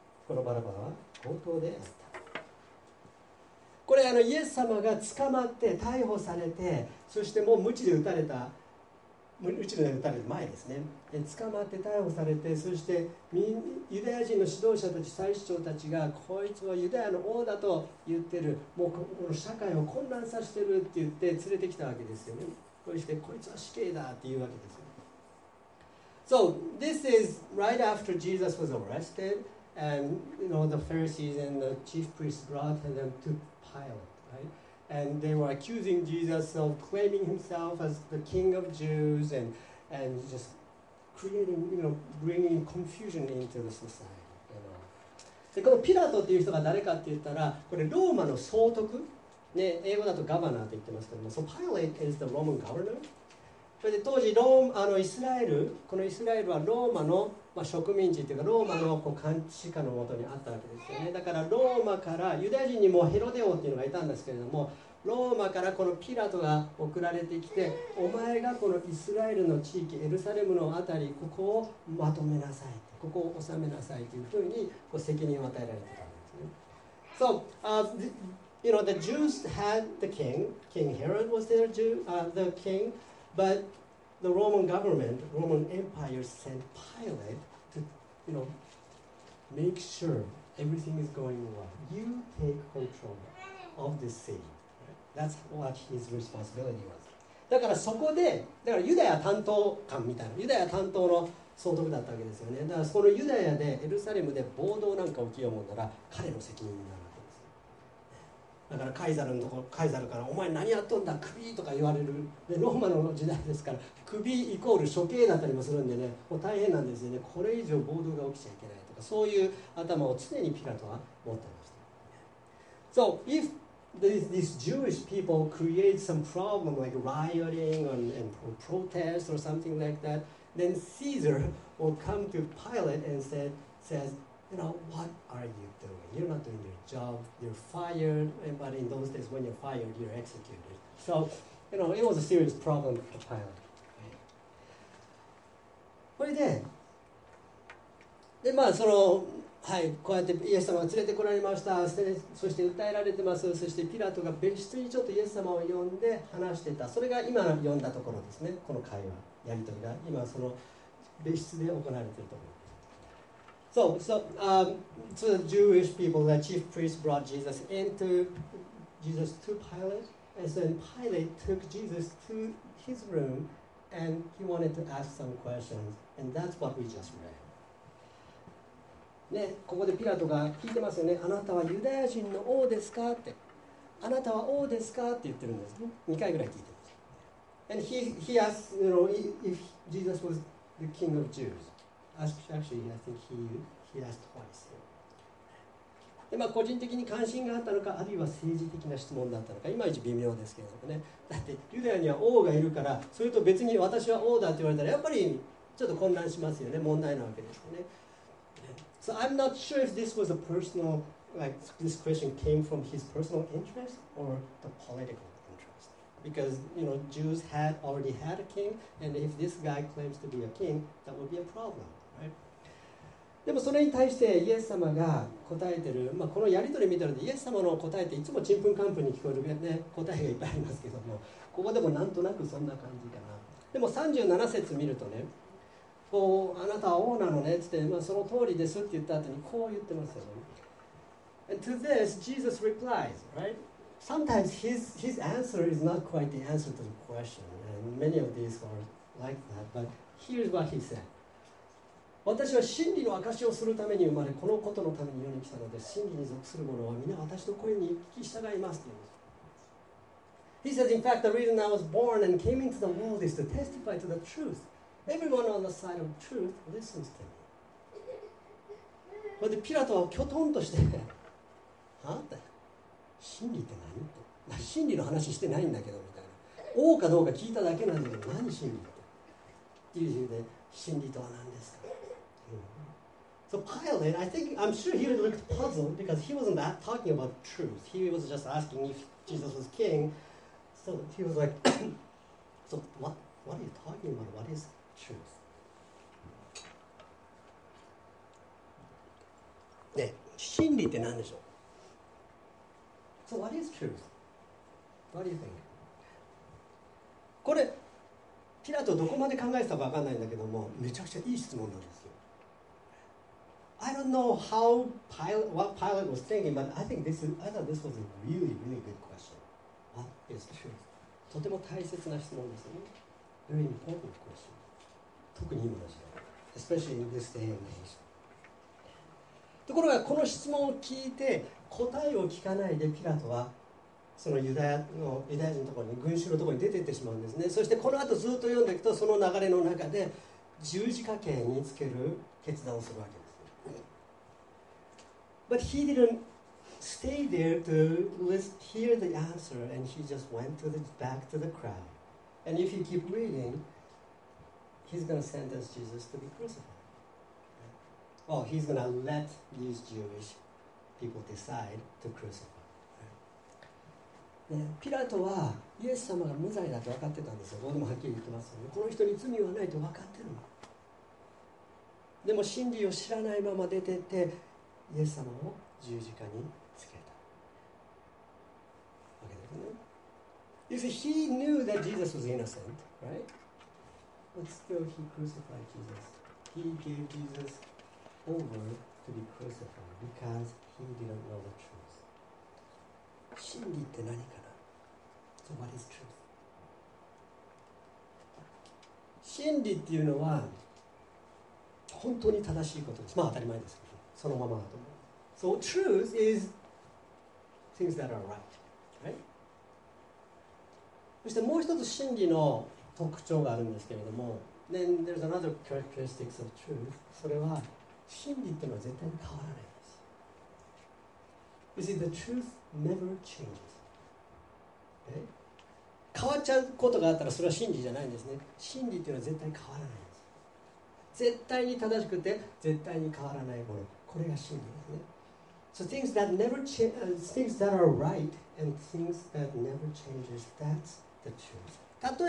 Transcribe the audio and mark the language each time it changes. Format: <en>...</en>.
<ja>このバラバは強盗であった。これイエス様が捕まって逮捕されて、そしてもう鞭で打たれた、鞭で打たれる前ですね。捕まって逮捕されて、そしてユダヤ人の指導者たち、祭司長たちが、こいつはユダヤの王だと言ってる、もうこの社会を混乱させてるって言って連れてきたわけですよね。そしてこいつは死刑だって言うわけですよ。</ja> <en>So this is right after Jesus was arrested, and you know the Pharisees and the chief priests brought them to Pilate, right? And they were accusing Jesus of claiming himself as the king of Jews and just creating, you know, bringing confusion into the society. You know.</en> <ja>でこのピラトっていう人が誰かって言ったら、これローマの総督、ね、英語だとガバナーって言ってますけども、</ja> <en>So Pilate is the Roman governor.</en> <ja>それで当時ローマ、あのイスラエル、このイスラエルはローマの、まあ、植民地というかローマのこう監視下のもとにあったわけですよね。だからローマからユダヤ人にもヘロデ王っていうのがいたんですけれども、ローマからこのピラトが送られてきて、お前がこのイスラエルの地域エルサレムのあたり、ここをまとめなさい、ここを治めなさいというふうにこう責任を与えられてたんですね。</ja> <en>So you know the Jews had the king. King Herod was their the king. ButThe Roman government, Roman Empire sent Pilate to, you know, make sure everything is going well. You take control of this city. That's what his responsibility was.</en> <ja>だからそこで、だからユダヤ担当官みたいな、ユダヤ担当の総督だったわけですよね。だからそこのユダヤでエルサレムで暴動なんか起きようもんなら彼の責任になるわけです。だからカイザルのとこ、カイザルからお前何やっとんだ、クビーとか言われる。でローマの時代ですから、クビイコール処刑だったりもするんでね、もう大変なんですよね。これ以上暴動が起きちゃいけないとか、そういう頭を常にピラトは持ってました。</ja> <en>So if this Jewish people create some problem like rioting and protest or something like that, then Caesar will come to Pilate and says, you know, what are you doing? You're not doing your job. You're fired. But in those days, when you're fired, you're executed. So, you know, it was a serious problem for Pilate.</en> <ja>それで、まあそのはい、こうやってイエス様が連れてこられました、そして訴えられてます、そしてピラトが別室にちょっとイエス様を呼んで話してた、それが今読んだところですね、この会話、やり取りが、今その別室で行われていると思います。</ja> <en>So the Jewish people, the chief priest brought Jesus into Jesus to Pilate, and then Pilate took Jesus to his room, and he wanted to ask some questions, and that's what we just read.</en> <ja>ね、ここでピラトが聞いてますよね。あなたはユダヤ人の王ですかって。あなたは王ですかって言ってるんです。 2回ぐらい聞いてます。</ja> <en>And he asked, you know, if Jesus was the king of Jews. Actually, I think he asked twice.</en> <ja>で、まあ、個人的に関心があったのか、あるいは政治的な質問だったのか、いまいち微妙ですけどもね。だってユダヤには王がいるから、それと別に私は王だって言われたら、やっぱりちょっと混乱しますよね。問題なわけですよね。</ja> <en>So I'm not sure if this was a personal, like this question came from his personal interest or the political interest. Because, you know, Jews had already had a king, and if this guy claims to be a king, that would be a problem, right?</en> <ja>でもそれに対してイエス様が答えてる、まあ、このやり取り見てるんで、イエス様の答えっていつもチンプンカンプンに聞こえるね、答えがいっぱいありますけども、ここでもなんとなくそんな感じかな。でも37節見るとね、こうあなたは王なのねって、まあ、その通りですって言った後にこう言ってますよ、ね。</ja> <en>And to this, Jesus replies, right? Sometimes his answer is not quite the answer to the question, and many of these are like that. But here's what he said:</en> <ja>私は真理の証をするために生まれ、このことのために世に来たので、真理に属する者は皆私の声に聞き従いますって言うんです。</ja> <en>He says, in fact, the reason I was born and came into the world is to testify to the truth. Everyone on the side of truth listens to me.</en> <ja>それでピラトはキョトンとして、はあって、真理って何って、まあ、真理の話してないんだけどみたいな。王かどうか聞いただけなんだけど、何真理って。っていう理由で、真理とは何ですか、うん、</ja> <en>So Pilate, I think, I'm sure he looked puzzled because he wasn't that talking about truth. He was just asking if Jesus was king. So he was like, So what are you talking about? What is truth.</en> <ja>で、真理って何でしょう?</ja> <en>So what is truth? What do you think?</en> <ja>これ、ピラトどこまで考えてたか分かんないんだけども、めちゃくちゃいい質問なんですよ。</ja> <en>I don't know how Pilate, what Pilate was thinking, but I thought this was a really, really good question. What is truth?</en> <ja>とても大切な質問ですね。</ja> <en>Very important question.</en> <ja>特に今の時代、</ja> <en>especially in this day and age。</en> <ja>ところがこの質問を聞いて答えを聞かないでピラトはそのユダヤ人のところに群衆のところに出て行ってしまうんですね。そしてこの後ずっと読んでいくとその流れの中で十字架刑につける決断をするわけです。</ja> <en>But he didn't stay there to hear the answer, and he just went to the back to the crowd. And if you keep reading. He's going to sentence Jesus to be crucified. Well, he's going to let these Jewish people decide to crucify.</en> <ja>ピラトはイエス様が無罪だと分かってたんですよ。ここでもはっきり言ってますよね。この人に罪はないと分かってるの。でも真理を知らないまま出てってイエス様を十字架につけたわけですね。</ja> <en>You see, he knew that Jesus was innocent, right? But still, he crucified Jesus. He gave Jesus over to be crucified because he didn't know the truth.</en> <ja>真理って何かな?</ja> <en>So what is truth?</en> <ja>真理っていうのは本当に正しいことです。まあ当たり前ですけど、そのままだと思う。</ja> <en>So truth is things that are right, right?</en> <ja>そしてもう一つ真理の特徴があるんですけれども、</ja> <en>Then there's another characteristics of truth.</en> <ja>それは真理ってのは絶対に変わらないです。</ja> <en>You see, the truth never changes. え？</en> <ja>変わっちゃうことがあったらそれは真理じゃないんですね。真理っていうのは絶対に変わらないです。絶対に正しくて絶対に変わらないもの、これが真理ですね。</ja> <en>So things that never change, things that are right and things that never changes, that's the truth.</en>